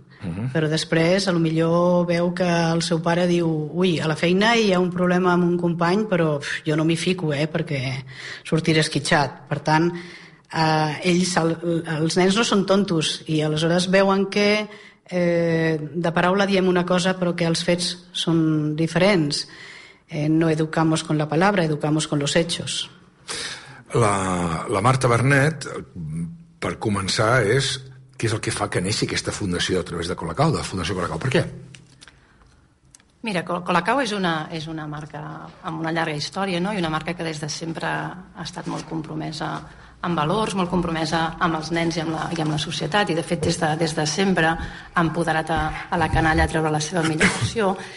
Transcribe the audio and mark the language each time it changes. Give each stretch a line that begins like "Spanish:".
Catalan: Però després, a lo millor veu que el seu pare diu, ui, a la feina hi ha un problema amb un company, però jo no m'hi fico, perquè sortiré esquitxat. Per tant, els nens no són tontos, i aleshores veuen que de paraula diem una cosa, però que els fets són diferents.
Spanish: No educamos con la palabra, educamos con los hechos.
Catalan: La Marta Bernet, per començar, és... Què és el que fa que neixi aquesta fundació a través de Colacau, de Fundació Colacau? Per què? Mira, Colacau és una marca amb una llarga història, no? I una marca que des de sempre ha estat molt compromesa amb valors, molt compromesa amb els nens i amb la societat, i de fet des de sempre ha empoderat a la canalla a treure la seva millor versió.